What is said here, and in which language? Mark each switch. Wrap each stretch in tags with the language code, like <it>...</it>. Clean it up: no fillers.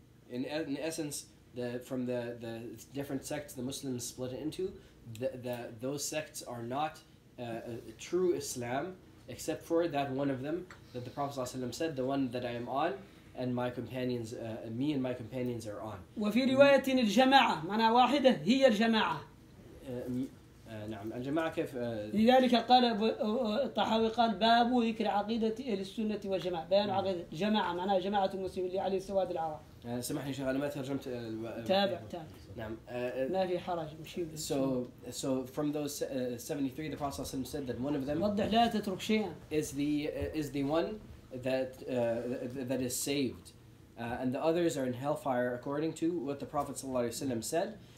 <en>In essence, from the different sects the Muslims split into, those sects are not true Islam, except for that one of them that the Prophet ﷺ said, the one that I am on, and my companions, me and my companions are on.</en> <ar>وفي رواية الجماعة معنى واحدة هي الجماعة. نعم الجماعة كيف؟ لذلك قال الطحاوي قال باب ذكر عقيدة أهل السنة والجماعة بيان عقيدة جماعة معنى جماعة المسلمين عليه السواد العرب. سمحني شيخ أنا ما ترجمت. تابع. نعم. ما في حرج مشي.</ar> <en>So from those 73 the Prophet صلى الله عليه وسلم said that one of them.</en> <ar>وضح لا تترك شيئا.</ar> <en>Is the one that is saved, and the others are in hellfire according to what the Prophet صلى الله عليه وسلم said.</en>